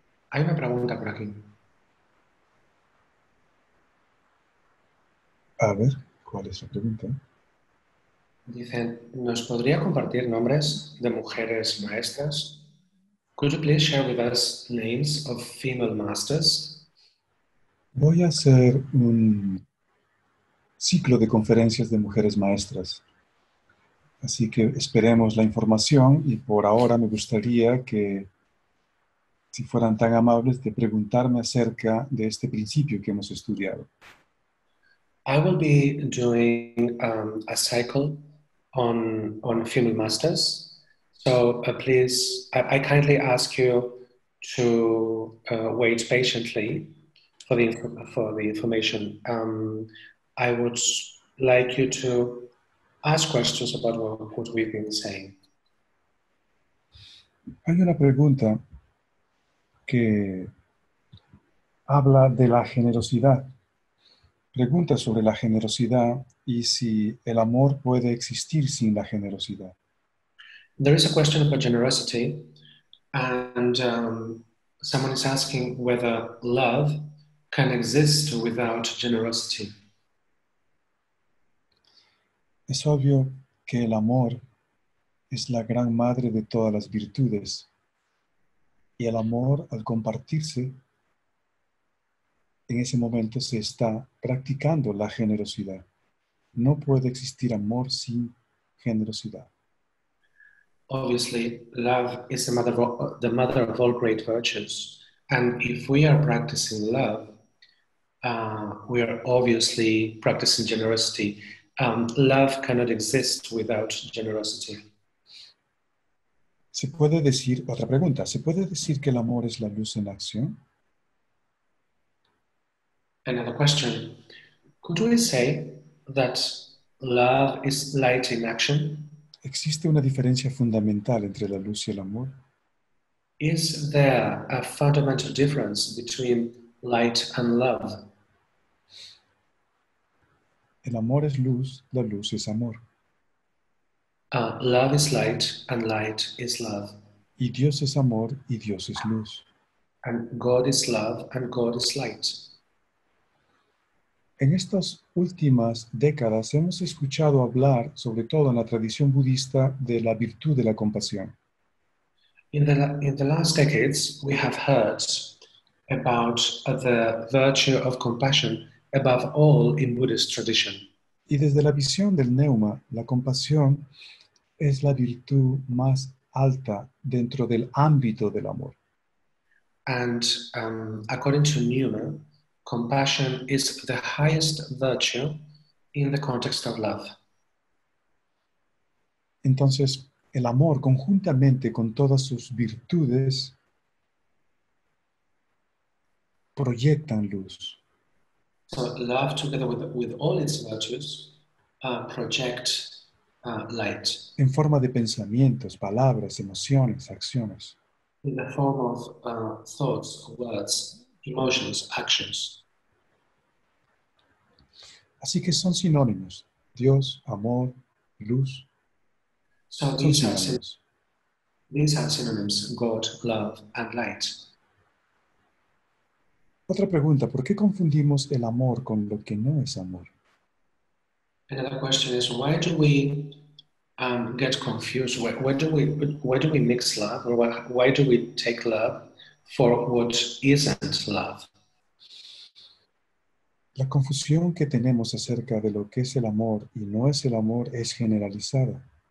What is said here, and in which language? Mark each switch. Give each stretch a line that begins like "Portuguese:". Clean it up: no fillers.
Spanish: Hay una pregunta por aquí. A ver, ¿cuál es la pregunta? Dicen, ¿nos podría compartir nombres de mujeres maestras?
English: Could you please share with us names of female masters?
Spanish: Voy a hacer un ciclo de conferencias de mujeres maestras. Así que esperemos la información y por ahora me gustaría que, si fueran tan amables, de preguntarme acerca de este principio que hemos estudiado.
English: I will be doing a cycle on female masters. So please, I kindly ask you to wait patiently for the information. I would like you to ask questions about what we've been saying.
Spanish: Hay una pregunta que habla de la generosidad. Pregunta sobre la generosidad y si el amor puede existir sin la generosidad.
English: There is a question about generosity, and someone is asking whether love can exist without generosity.
Spanish: Es obvio que el amor es la gran madre de todas las virtudes, y el amor, al compartirse, en ese momento se está practicando la generosidad. No puede existir amor sin generosidad.
English: Obviously, love is the mother of all great virtues, and if we are practicing love, we are obviously practicing generosity. Love cannot exist without generosity.
Spanish: ¿Se puede decir, otra pregunta, se puede decir que el amor es la luz en acción?
English: Another question. Could we say that love is light in action?
Spanish: ¿Existe una diferencia fundamental entre la luz y el amor?
English: Is there a fundamental difference between light and love?
Spanish: El amor es luz, la luz es amor.
English: Love is light and light is love.
Spanish: Y Dios es amor y Dios es luz.
English: And God is love and God is light.
Spanish: En estas últimas décadas hemos escuchado hablar, sobre todo en la tradición budista, de la virtud de la compasión.
English: In the last decades, we have heard about the virtue of compassion above all in Buddhist tradition.
Spanish: Y desde la visión del Neuma, la compasión es la virtud más alta dentro del ámbito del amor.
English: And according to Neuma, Compassion is the highest virtue in the context of love.
Spanish: Entonces, el amor conjuntamente con todas sus virtudes proyectan luz.
English: So love together with all its virtues project light.
Spanish: En forma de pensamientos, palabras, emociones, acciones.
English: In the form of thoughts, words, emotions, actions.
Spanish: Así que son sinónimos. Dios, amor, luz.
English: So
Spanish: son sinónimos.
English: These are synonyms, God, love, and light.
Spanish: Otra pregunta, ¿por qué confundimos el amor con lo que no es amor?
English: Another question is, why do we get confused? Why do we mix love? Or why do we take love for what isn't love?
Spanish: La confusión que tenemos acerca de lo que es el amor y no es el amor es generalizada.